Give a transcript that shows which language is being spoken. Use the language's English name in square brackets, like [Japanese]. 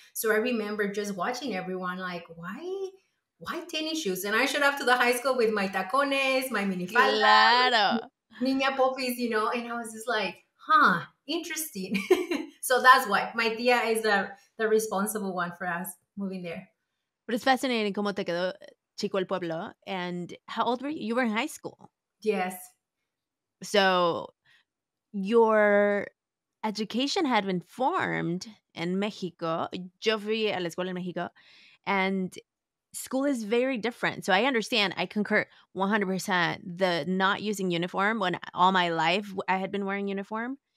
[English] So I remember just watching everyone like, why tennis shoes? And I showed up to the high school with my [Spanish] tacones, [English] my [Spanish] minifalda, claro, niña popis, [English] you know, and I was just like, huh, interesting. So that's why my tia is the responsible one for us moving there. But it's fascinating [Spanish] como te quedó chico el pueblo. [English] And how old were you? You were in high school. Yes. So your education had been formed in Mexico. [Spanish] Yo fui a la escuela en Mexico, [English] and school is very different. So I understand, I concur 100% the not using uniform when all my life I had been wearing uniform.